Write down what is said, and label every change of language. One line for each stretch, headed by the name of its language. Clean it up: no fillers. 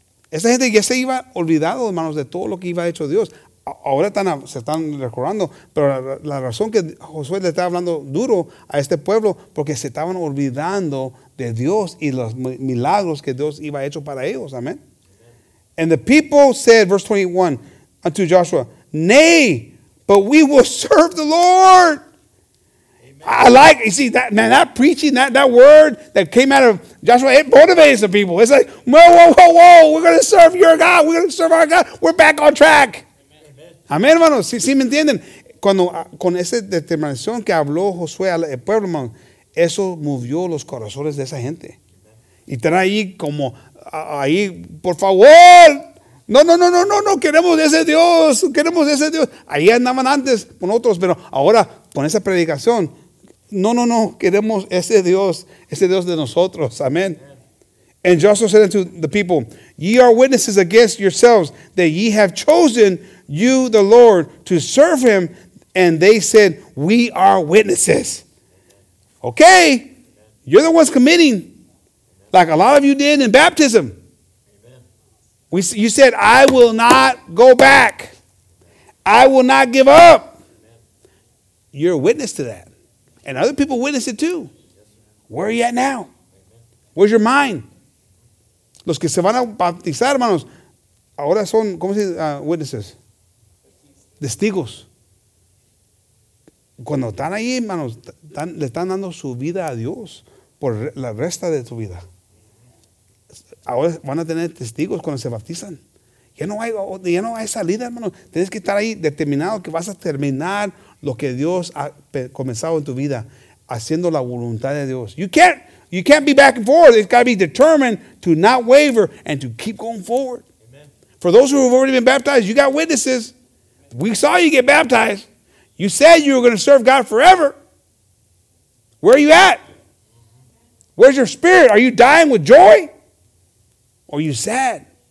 Spanish: Esta gente ya se iba olvidado, hermanos, de todo lo que iba hecho Dios. Ahora están, se están recordando, pero la razón que Josué le está hablando duro a este pueblo, porque se estaban olvidando de Dios y los milagros que Dios iba hecho para ellos. Amen.
English: And the people said, verse 21, unto Joshua, nay, but we will serve the Lord. Amen. I like, you see, that man, that preaching, that word that came out of Joshua, it motivates the people. It's like, whoa, we're going to serve your God. We're going to serve our God. We're back on track.
Spanish: Amén, hermanos, ¿sí me entienden? Cuando con esa determinación que habló Josué al pueblo, hermano, eso movió los corazones de esa gente. Y están ahí como, ahí, por favor, no, queremos ese Dios. Ahí andaban antes con otros, pero ahora con esa predicación, no, queremos ese Dios de nosotros, amén.
English: And Joshua said unto the people, ye are witnesses against yourselves that ye have chosen you, the Lord, to serve him. And they said, we are witnesses. Okay, you're the ones committing, like a lot of you did in baptism. You said, I will not go back. I will not give up. You're a witness to that. And other people witness it too. Where are you at now? Where's your mind?
Spanish: Los que se van a bautizar, hermanos, ahora son, ¿cómo se dice? Witnesses. Testigos. Cuando están ahí, hermanos, le están dando su vida a Dios por la resta de su vida. Ahora van a tener testigos cuando se bautizan. Ya no hay salida, hermanos. Tienes que estar ahí determinado que vas a terminar lo que Dios ha comenzado en tu vida, haciendo la voluntad de Dios.
English: You can't be back and forth. It's got to be determined to not waver and to keep going forward. Amen. For those who have already been baptized, you got witnesses. Amen. We saw you get baptized. You said you were going to serve God forever. Where are you at? Where's your spirit? Are you dying with joy? Or are you sad?